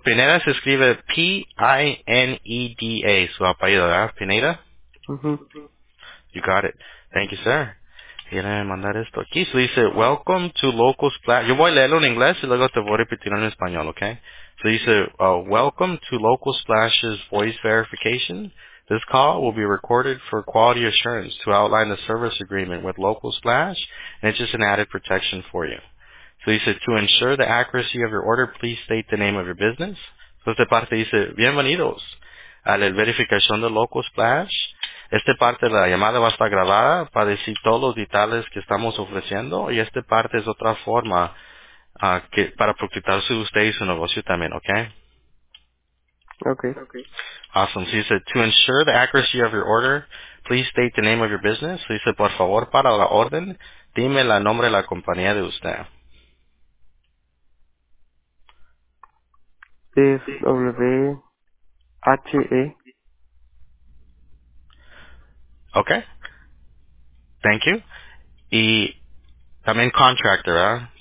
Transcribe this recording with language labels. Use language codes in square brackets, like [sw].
[es] Pineda se escribe Pineda, su apellido, ¿verdad, Pineda? Uh-huh. [en] You got it. Thank you, sir. [es] Quieren mandar esto aquí. Se dice, [en] welcome to Locals Plaza. [es] Yo voy a leerlo en inglés y luego te voy a repetir en español, ¿ok? Se dice, [en] welcome to Local Splash's voice verification. This call will be recorded for quality assurance to outline the service agreement with Local Splash, and it's just an added protection for you. So dice, to ensure the accuracy of your order, please state the name of your business. [es] So esta parte dice, bienvenidos a la verificación de Local Splash. Esta parte de la llamada va a estar grabada para decir todos los detalles que estamos ofreciendo, y esta parte es otra forma que para protegerse usted y su negocio también, ¿ok? [en] Okay. Awesome. So he said, to ensure the accuracy of your order, please state the name of your business. So he said, [es] por favor, para la orden, dime el nombre de la compañía de usted. SWHE. [en] Okay. Thank you. [es] Y también contractor, ¿eh?